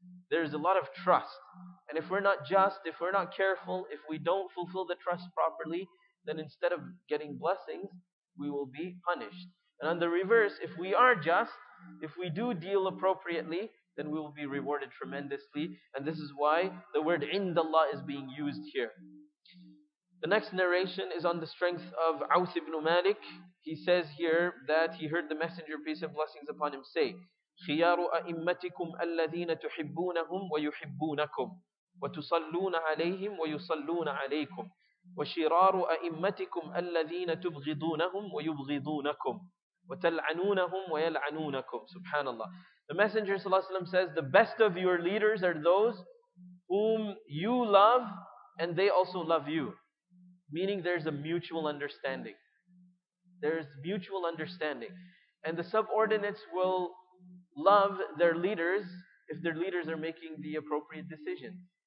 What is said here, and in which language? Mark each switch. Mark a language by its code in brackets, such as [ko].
[en] There's a lot of trust. And if we're not just, if we're not careful, if we don't fulfill the trust properly, then instead of getting blessings, we will be punished. And on the reverse, if we are just, if we do deal appropriately, then we will be rewarded tremendously. And this is why the word indallah is being used here. The next narration is on the strength of Aws ibn Malik. He says here that he heard the Messenger, peace and blessings upon him, say, [ar] خِيَارُ أَئِمَّتِكُمْ أَلَّذِينَ تُحِبُّونَهُمْ وَيُحِبُّونَكُمْ وَتُصَلُّونَ عَلَيْهِمْ وَيُصَلُّونَ عَلَيْكُمْ وَشِرَارُ أَئِمَّتِكُمْ أَلَّذِينَ تُبْغِضُونَهُمْ وَيُبْغِضُونَكُمْ وَتَلْعَنُونَهُمْ وَيَلْعَنُونَكُمْ. Subhanallah. [en] The Messenger ﷺ says, the best of your leaders are those whom you love and they also love you. Meaning there's a mutual understanding. There's mutual understanding. And the subordinates will love their leaders if their leaders are making the appropriate decisions.